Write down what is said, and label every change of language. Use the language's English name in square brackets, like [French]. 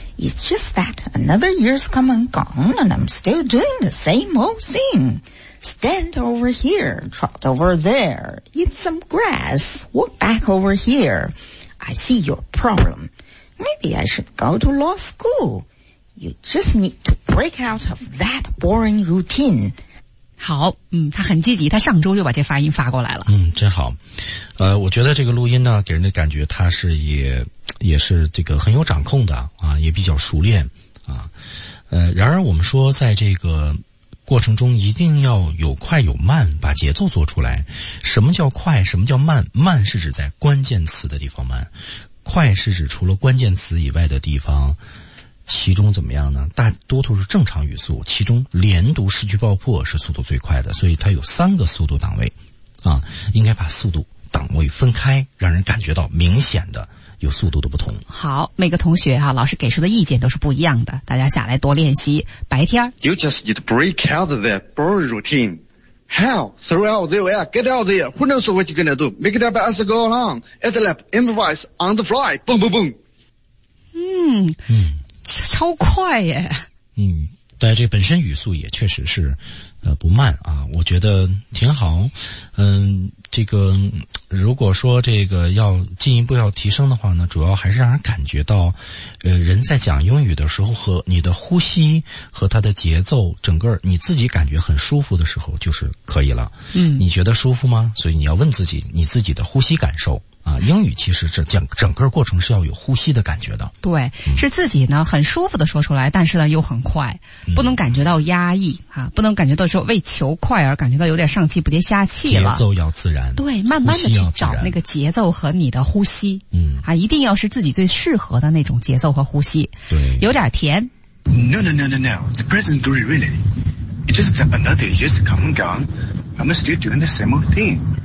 [English] It's just that another year's come and gone, and I'm still doing the same old thing. Stand over here, trot over there, eat some grass, walk back over here. I see your problem. Maybe I should go to law school. You just need to break out of that boring routine. [Chinese] 好，他很积极，他上周就把这发音发过来了。真好。我觉得这个录音呢，给人的感觉他是也是这个很有掌控的啊，也比较熟练啊。然而我们说在这个过程中一定要有快有慢，把节奏做出来。什么叫快？什么叫慢？慢是指在关键词的地方慢，快是指除了关键词以外的地方，其中怎么样呢？大多数是正常语速，其中连读失去爆破是速度最快的，所以它有三个速度档位啊，应该把速度档位分开，让人感觉到明显的有速度的不同。好，每个同学啊，老师给出的意见都是不一样的，大家下来多练习。白天 [English] You just need to break out of that boring routine. How? Throw out the way, get out there. Who knows what you're gonna do? Make it up as you go along. At the lab, improvise on the fly. Boom, boom, boom. [Chinese] 超快耶。但这本身语速也确实是不慢啊，我觉得挺好。这个如果说这个要进一步要提升的话呢，主要还是让人感觉到人在讲英语的时候和你的呼吸和他的节奏，整个你自己感觉很舒服的时候就是可以了。你觉得舒服吗？所以你要问自己你自己的呼吸感受啊，英语其实是整个过程是要有呼吸的感觉的。对，是自己呢很舒服的说出来，但是呢又很快，不能感觉到压抑啊，不能感觉到说为求快而感觉到有点上气不接下气了。节奏要自然。对，慢慢的去找那个节奏和你的呼吸。一定要是自己最适合的那种节奏和呼吸。对。有点甜。 [English] No, no, no, no, no. The present great really. It's just another year's come and gone. I'm still doing the same old thing.